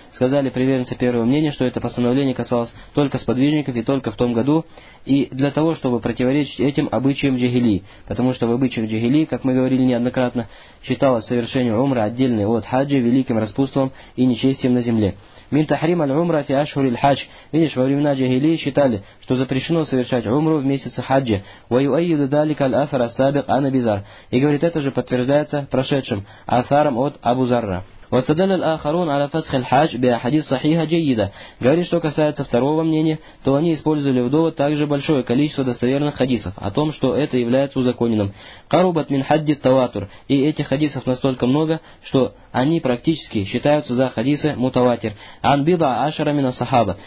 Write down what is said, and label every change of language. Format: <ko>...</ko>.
<ru>Сказали приверженцы первого мнения, что это постановление касалось только сподвижников и только в том году, и для того, чтобы противоречить этим обычаям джагили, потому что в обычаях джагили, как мы говорили неоднократно, считалось совершение умра отдельной от хаджа великим распутством и нечестием на земле.</ru> <ar>Мин тахрим аль-умра фи ашхури аль-хадж.</ar> <ru>Видишь, во времена джагили считали, что запрещено совершать умру в месяце хаджа.</ru> <ar>Ва юайиду далика аль-асар ас-сабик ан Аби Зар.</ar> <ru>И говорит, это же подтверждается прошедшим асаром от Абу Зарра.</ru> <ar>واستدل الآخرون على فسخ الحج بأحاديث صحيحة جيدة.</ar> <ru>Говорит, что касается второго мнения, то они использовали в довод также большое количество достоверных хадисов о том, что это является узаконенным.</ru> <ar>قربت من حد التواتر.</ar> <ru>И этих хадисов настолько много, что они практически считаются за хадисы мутаватир.</ru> <ar>عن بضع عشر من الصحابة.</ar>